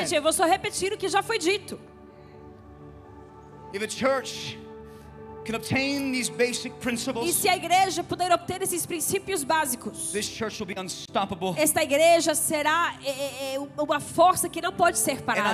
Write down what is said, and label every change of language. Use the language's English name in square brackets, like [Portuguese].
[Portuguese] Gente, eu vou só repetir o que já foi dito. [English] If a church can obtain these basic principles, [Portuguese] e se a igreja puder obter esses princípios básicos, [English] this church will be unstoppable. [Portuguese] Esta igreja será uma força que não pode ser parada.